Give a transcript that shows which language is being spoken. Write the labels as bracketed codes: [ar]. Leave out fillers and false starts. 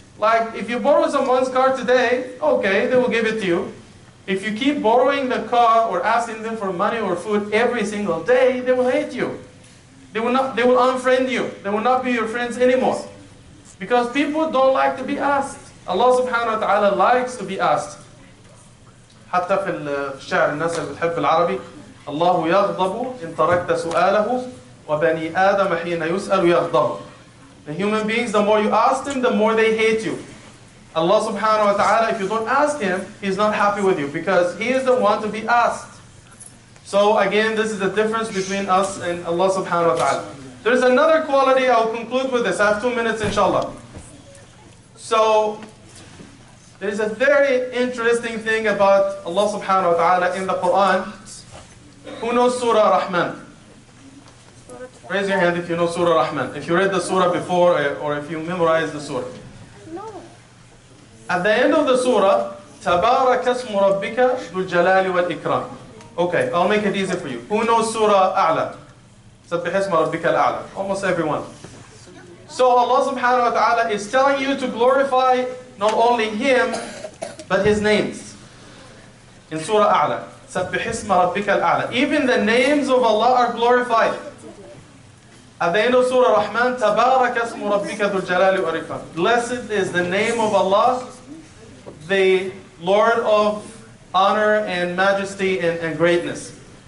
[en] Like if you borrow someone's car today, okay, they will give it to you. If you keep borrowing the car or asking them for money or food every single day, they will hate you. They will unfriend you. They will not be your friends anymore. Because people don't like to be asked. Allah subhanahu wa ta'ala likes to be asked. [ar] حتى في الشعر الناس اللي بتحب العربي الله يغضب إن تركت سؤاله وبني آدم حين يسأل يغضب. [en] The human beings, the more you ask them, the more they hate you. Allah subhanahu wa ta'ala, if you don't ask Him, He's not happy with you because He is the one to be asked. So again, this is the difference between us and Allah subhanahu wa ta'ala. There's another quality, I'll conclude with this. I have 2 minutes, inshallah. So there's a very interesting thing about Allah subhanahu wa ta'ala in the Quran. Who knows Surah Rahman? Raise your hand if you know Surah Rahman. If you read the Surah before or if you memorized the Surah. No. At the end of the Surah, [ar] تَبَارَكَ اسْمُ رَبِّكَ ذُو الْجَلَالِ وَالْإِكْرَامِ. [en] Okay, I'll make it easy for you. Who knows Surah A'la? [ar] سَبِّحِ اسْمَ رَبِّكَ الْأَعْلَى. [en] Almost everyone. So Allah subhanahu wa ta'ala is telling you to glorify not only Him, but His names. In Surah A'la, [ar] سَبِّحِ اسْمَ رَبِّكَ الْأَعْلَى. [en] Even the names of Allah are glorified. At the end of Surah Rahman, [ar] تَبَارَكَ اسْمُ رَبِّكَ ذُو الْجَلَالِ وَالْإِكْرَامِ. [en] Blessed is the name of Allah, the Lord of honor and majesty and greatness.